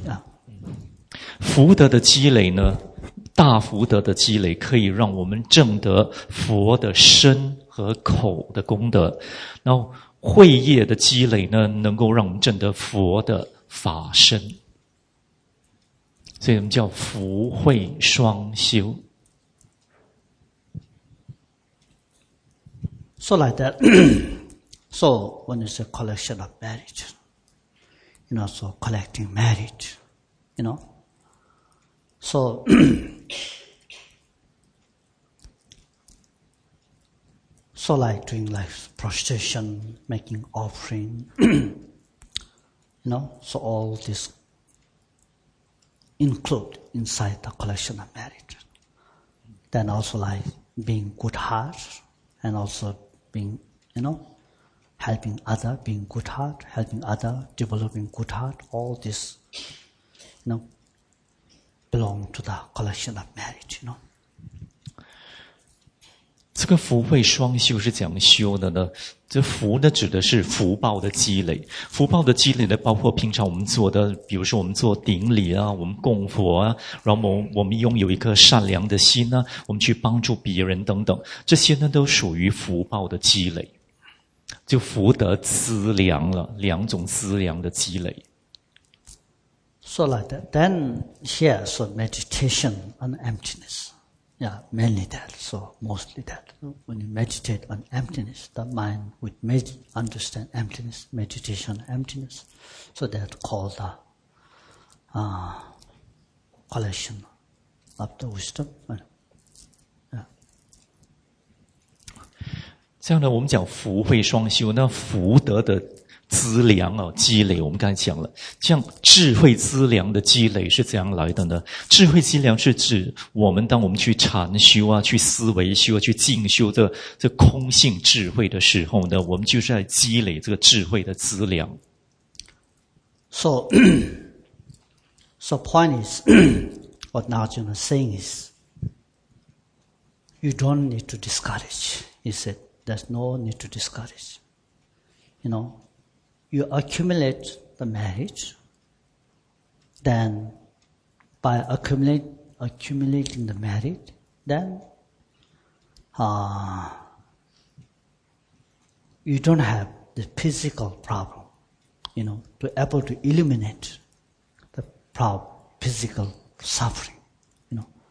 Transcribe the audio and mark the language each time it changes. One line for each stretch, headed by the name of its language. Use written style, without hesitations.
Chinese: 这个福德的积累呢，大福德的积累可以让我们证得佛的身和口的功德，然后慧业的积累呢，能够让我们证得佛的法身，所以我们叫福慧双修。
English: So like that, so when it's a collection of merit, you know, so collecting merit, you know. So, so like doing like prostration, making offering, you know, so all this include inside the collection of merit. Then also like being good heart and also being, you know, helping other, being good heart, helping other, developing good heart, all this, you know, belong to the collection of merit, you know.
Chinese: 这个福慧双修是怎样修的呢？这福呢指的是福报的积累，福报的积累呢包括平常我们做的，比如说我们做顶礼啊，我们供佛啊，然后我们拥有一颗善良的心啊，我们去帮助别人等等，这些呢都属于福报的积累，就福德资粮了，两种资粮的积累。
English: So like that, then here so meditation on emptiness, yeah, mainly that. So mostly that. When you meditate on emptiness, the mind would understand emptiness, meditation on emptiness. So that called the collection of the wisdom. Yeah.
Chinese: 这样呢，我们讲福慧双修，那福德的资粮啊，积累，我们刚才讲了，这样智慧资粮的积累是怎样来的呢？智慧资粮是指我们当我们去禅修啊，去思维修啊，去静修这空性智慧的时候呢，我们就是在积累这个智慧的资粮。
English: So point is, what Nagarjuna saying is, you don't need to discourage. He said, there's no need to discourage. You know. You accumulate the merit, then by accumulating the merit, then you don't have the physical problem, you know, to able to eliminate the physical suffering, you know.